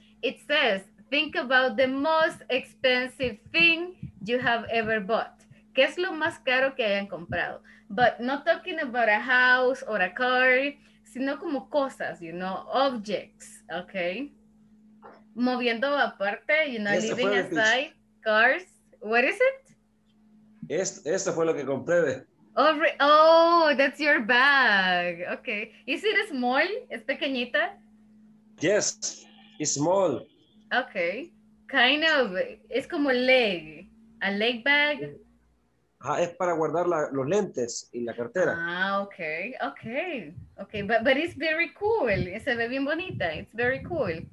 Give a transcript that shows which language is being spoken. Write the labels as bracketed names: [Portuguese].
[English] It says, think about the most expensive thing you have ever bought. [Spanish] ¿Qué es lo más caro que hayan comprado? [English] But not talking about a house or a car, [Spanish] sino como cosas, [English] you know, objects, okay? [Spanish] Moviendo aparte, [English] you know, este leaving aside, cars, what is it? [Spanish] Esto fue lo que compré. [English] Oh, that's your bag, okay. Is it small? [Spanish] ¿Es pequeñita? [English] Yes, it's small. Okay, kind of, [Spanish] es como [English] leg, a leg bag. [Spanish] Ah, es para guardar los lentes y la cartera. [English] Ah, okay. But it's very cool. [Spanish] Se ve bien bonita. [English] It's very cool.